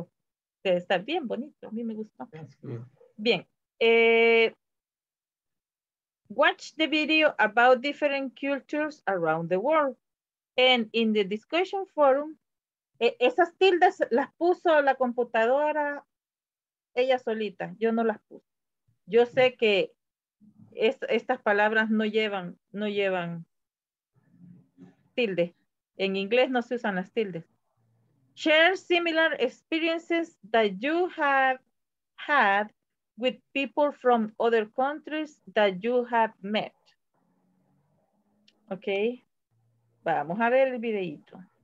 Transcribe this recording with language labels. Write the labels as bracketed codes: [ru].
[es] O sea, está bien bonito, a mí me gustó. Bien. [en] Watch the video about different cultures around the world. And in the discussion forum, [es] esas tildes las puso la computadora ella solita, yo no las puse. Yo sé que estas palabras no llevan tilde. En inglés no se usan las tildes. [en] Share similar experiences that you have had with people from other countries that you have met. [es] Okay. Vamos a ver el videíto.